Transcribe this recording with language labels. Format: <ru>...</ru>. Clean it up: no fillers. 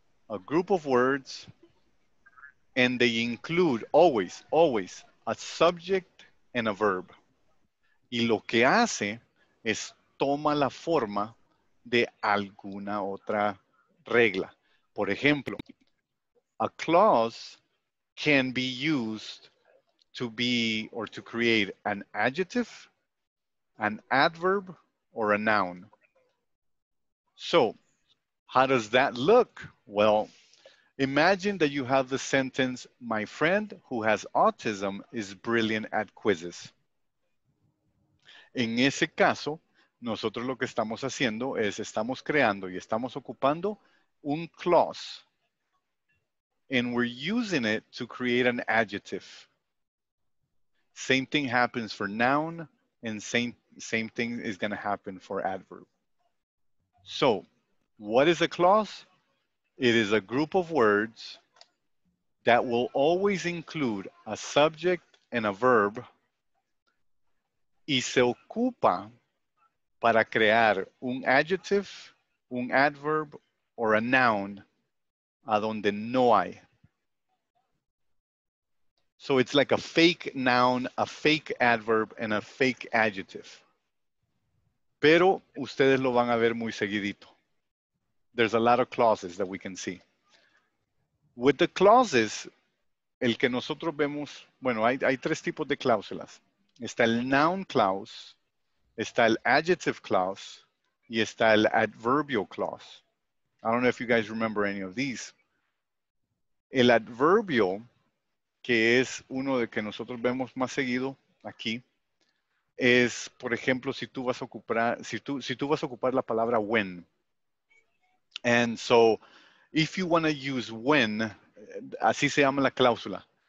<en>A group of words, and they include always a subject and a verb.</en> <es>Y lo que hace es toma la forma de alguna otra regla. Por ejemplo,</es> <en>a clause can be used to be or to create an adjective, an adverb, or a noun. So, how does that look? Well, imagine that you have the sentence, my friend who has autism is brilliant at quizzes.</en> <es>En ese caso, nosotros lo que estamos haciendo es estamos creando y estamos ocupando un clause.</es> <en>And we're using it to create an adjective. Same thing happens for noun, and same thing is going to happen for adverb. So, what is a clause? It is a group of words that will always include a subject and a verb.</en> <es>Y se ocupa para crear un adjective, un adverb,</es> <en>or a noun</en> <es>a donde no hay.</es> <en>So it's like a fake noun, a fake adverb, and a fake adjective.</en> <es>Pero ustedes lo van a ver muy seguidito.</es> <en>There's a lot of clauses that we can see. With the clauses,</en> <es>el que nosotros vemos, bueno, hay tres tipos de cláusulas. Está el noun clause, está el adjective clause, y está el adverbial clause.</es> <en>I don't know if you guys remember any of these.</en> <es>El adverbial, que es uno de que nosotros vemos más seguido aquí, es, por ejemplo, si tú vas a ocupar la palabra when.</es> <en>And so, if you want to use when,</en> <es>así se llama la cláusula.</es>